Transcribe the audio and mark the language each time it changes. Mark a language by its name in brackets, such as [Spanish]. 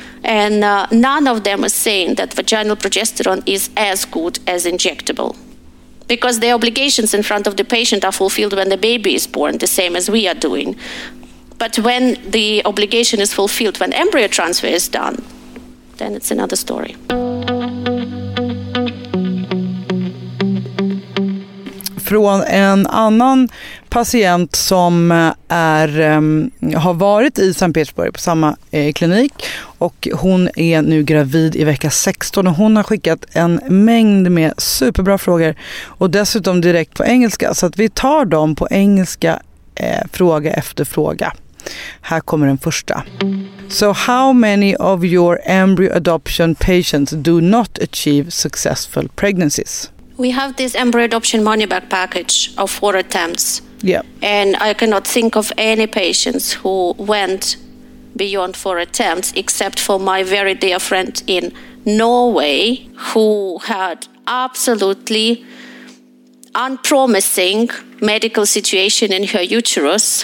[English] And none of them is saying that vaginal progesterone is as good as injectable, because the obligations in front of the patient are fulfilled when the baby is born, the same as we are doing. But when the obligation is fulfilled, when embryo transfer is done, then it's another story. [Swedish] Från en annan patient som är, har varit i St. Petersburg på samma klinik, och hon är nu gravid i vecka 16, och hon har skickat en mängd med superbra frågor och dessutom direkt på engelska, så att vi tar dem på engelska fråga efter fråga. Här kommer den första. [English] So how many of your embryo adoption patients do not achieve successful pregnancies? We have this embryo adoption money back package of 4 attempts. Yeah. And I cannot think of any patients who went beyond 4 attempts, except for my very dear friend in Norway, who had absolutely unpromising medical situation in her uterus.